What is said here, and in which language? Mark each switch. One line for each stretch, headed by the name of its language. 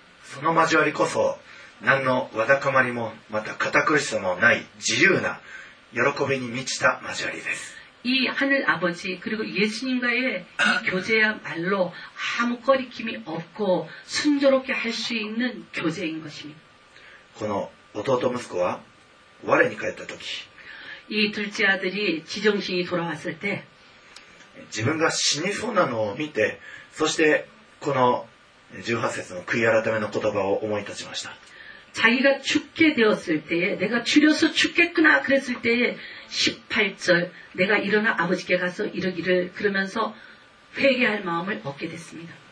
Japanese: その交わりこそ何のわだかまりもまた堅苦しさもない自由な喜びに満ちた交わりです。
Korean: 이하늘아버지그리고예수님과의이교제야말로아무거리낌이없고순조롭게할수있는교제인것입니다
Japanese: この弟息子は我に返った時
Korean: 이둘째아들이지정신이돌아왔을때
Japanese: 自分が死にそうなのを見てそしてこの18節の悔い改めの言葉を思い立ちました。
Korean: 자기가죽게되었을때에내가줄여서죽겠구나그랬을때에18절내가일어나아버지께가서이르기를그러면서회개할마음을얻게됐습니다